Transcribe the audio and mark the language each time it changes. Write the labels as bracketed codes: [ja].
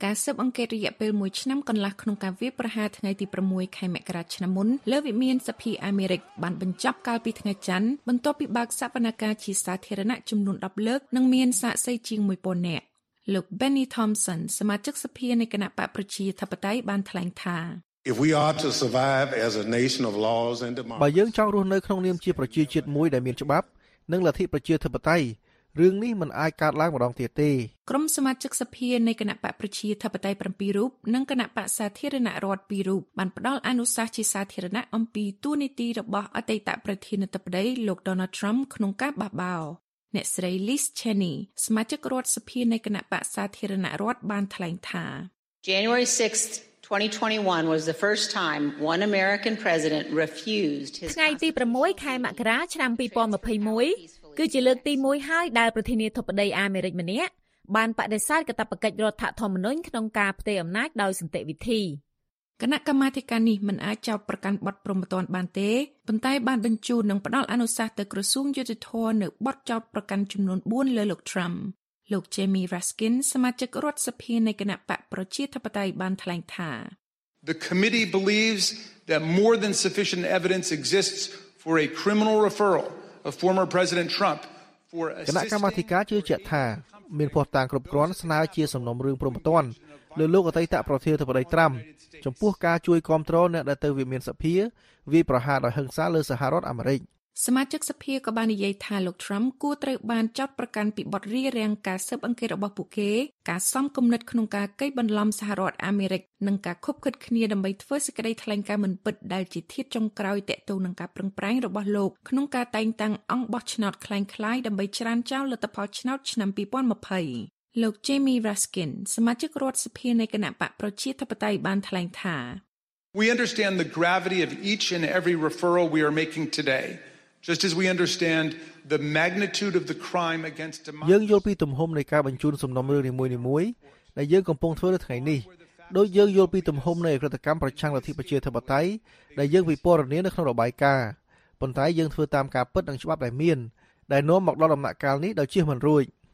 [km] ការស៊ើបអង្កេតរយៈពេល1ឆ្នាំកន្លះក្នុងការវាប្រហារថ្ងៃទី6ខែមករាឆ្នាំមុនលើវិមានសភាអាមេរិកបានបញ្ចប់កាលពីថ្ងៃច័ន្ទបន្ទាប់ពីបើកសវនកម្មជាសាធារណៈចំនួន10លើកនិងមានសាកសីជាង 1,000 នាក់លោក Benny Thompson សមាជិកសភានៃគណៈបកប្រជាធិបតេយ្យបានថ្លែងថា [en] If we are to survive as a nation of laws and democracy [km] បើយើងចង់រស់នៅក្នុងនាមជាប្រជាជាតិមួយដែលមានច្បាប់និងលទ្ធិប្រជាធិបតេយ្យរឿងនេះមិនអាចកើតឡើងម្ដងទៀតទេ ក្រុមសមាជិកសភានៃគណៈបកប្រជាធិបតេយ្យ7រូបនិងគណៈបកសាធារណរដ្ឋ2រូបបានផ្ដល់អនុសាសន៍ជាសាធារណៈអំពីទួលនីតិរបស់អតីតប្រធានាធិបតីលោក Donald Trump ក្នុងការបះបោរអ្នកស្រី Liz Cheney សមាជិករដ្ឋសភានៃគណៈបកសាធារណរដ្ឋបានថ្លែងថា [en] January 6th 2021 was the first time one American president refused his [km] ថ្ងៃទី6ខែមករាឆ្នាំ2021គឺជាលើកទី1ហើយដែលប្រធានាធិបតីអាមេរិកម្នាក់បានបដិសេធកាតព្វកិច្ចរដ្ឋធម្មនុញ្ញក្នុងការផ្ទេរអំណាចដោយសន្តិវិធី គណៈកម្មាធិការនេះមិនអាចចោទប្រកាន់បទប្រមទានបានទេប៉ុន្តែបានបញ្ជូននិងផ្ដល់អនុសាសន៍ទៅក្រសួងយុតិធម៌នៅបទចោទប្រកាន់ចំនួន4លើលោក Trump លោក Jamie Raskin សមាជិករដ្ឋសភានៃគណៈបកប្រជាធិបតេយ្យបានថ្លែងថា [en] The committee believes that more than sufficient evidence exists for a criminal referral of former President Trump for [km] គណៈកម្មាធិការជឿជាក់ថាមានភស្តុតាងគ្រប់គ្រាន់ស្នើជាសំណុំរឿងប្រមទានលើលោកអតីតប្រធានាធិបតី Trump ចំពោះការជួយគាំទ្រអ្នកដែលទៅវិមានសភាវាប្រហារដោយហិង្សាលើសហរដ្ឋអាមេរិក សមាជិកសភាក៏បាននិយាយថាលោក Trump គួរត្រូវបានចាប់ប្រកាន់ពីបទរារាំងការស៊ើបអង្កេតរបស់ពួកគេការសំគំនិតក្នុងការកេងបន្លំសហរដ្ឋអាមេរិកនិងការខុបខិតគ្នាដើម្បីធ្វើសេចក្តីថ្លែងការណ៍មិនពិតដែលជាធាតចុងក្រោយតាក់ទងនឹងការប្រឹងប្រែងរបស់លោកក្នុងការតែងតាំងអង្គបោះឆ្នោតខ្លាំងខ្លាយដើម្បីច្រានចោលលទ្ធផលឆ្នោតឆ្នាំ2020លោក Jamie Raskin សមាជិករដ្ឋសភានៃគណៈបកប្រជាធិបតេយ្យបានថ្លែងថា [en] We understand the gravity of each and every referral we are making today. Just as we understand the magnitude of the crime against democracy [km] យើងយល់ពីទំហំនៃការបញ្ជូនសំណុំរឿងនីមួយនេះដែលយើងកំពុងធ្វើនៅថ្ងៃនេះដោយយើងយល់ពីទំហំនៃអក្រិតកម្មប្រឆាំងលទ្ធិប្រជាធិបតេយ្យដែលយើងពិពណ៌នានៅក្នុងរបាយការណ៍ប៉ុន្តែយើងធ្វើតាមការពិតនិងច្បាប់ដែលមានដែលនាំមកដល់ដំណាក់កាលនេះដោយជៀសមិនរួច